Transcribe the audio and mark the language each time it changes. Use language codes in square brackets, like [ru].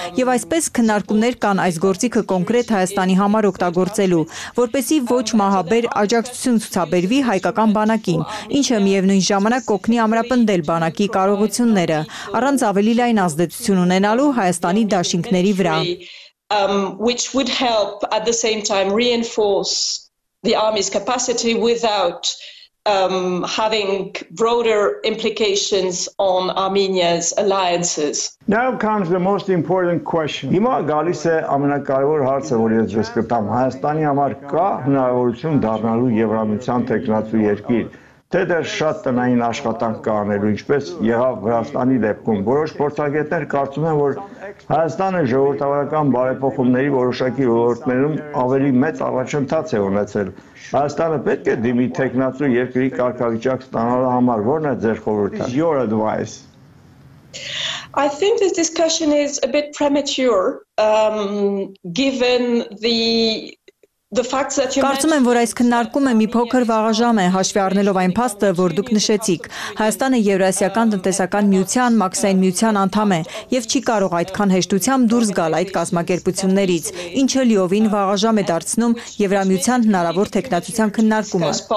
[hy] Եվ այսպես քննարկումներ կան այս գործիքը կոնկրետ Հայաստանի համար օգտագործելու, որպեսի ոչ մահաբեր աջակցություն ցուցաբերվի հայկական բանակին, ինչը միևնույն ժամանակ կօգնի ամրապնդել բանակի կարողությունները առանց ավելի լայն ազդեցություն ունենալու Հայաստանի դաշինքների վրա, [en] which would help at the same time reinforce the army's capacity without having broader implications on Armenia's alliances. Now comes the most important question. [hy] Հիմա գալիս է ամենակարևոր հարցը, որ ես ձեզ կտամ. Հայաստանի համար կա հնարավորություն դառնալու Եվրամիության թեկնածու երկիր, թե դեռ շատ տնային աշխատանք կա անելու, ինչպես եղավ Վրաստանի դեպքում։ Որոշ փորձագետներ կարծում են, որ Հայաստանը ժողովրդավարական բարեփոխումների որոշակի ոլորտներում ավելի մեծ առաջընթաց է ունեցել։ Հայաստանը պետք է դիմի թեկնածու երկրի կարգավիճակ ստանալու համար, որն է ձեր խորհուրդը։ [en] Your advice. I think this discussion is a bit premature, given the fact that you mentioned. [hy] Կարծում եմ, որ այս քննարկումը մի փոքր վաղաժամ է, հաշվի առնելով այն փաստը, որ դուք նշեցիք։ Հայաստանը Եվրասիական տնտեսական միության, մաքսային միության անդամ է եւ չի կարող այդքան հեշտությամբ դուրս գալ այդ կազմակերպություններից, ինչը լիովին վաղաժամ է դարձնում Եվրամիության հնարավոր թեկնածության քննարկումը։